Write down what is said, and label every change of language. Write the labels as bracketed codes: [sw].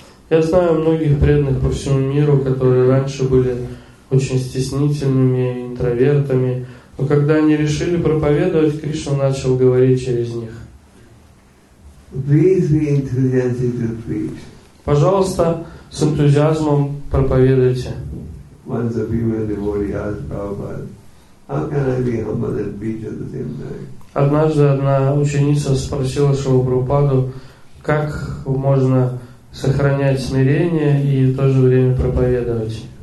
[ru] Я знаю многих преданных по всему миру, которые раньше были очень стеснительными интровертами, но когда они решили проповедовать, Кришна начал говорить через них. [en] Please be enthusiastic to preach. [ru] Пожалуйста, с энтузиазмом проповедуйте. [en] Once a female devotee asked Prabhupada, how can I be humble and preach at the same time? [ru] Однажды одна ученица спросила своего Прабхупаду, как можно сохранять смирение и в то же время проповедовать.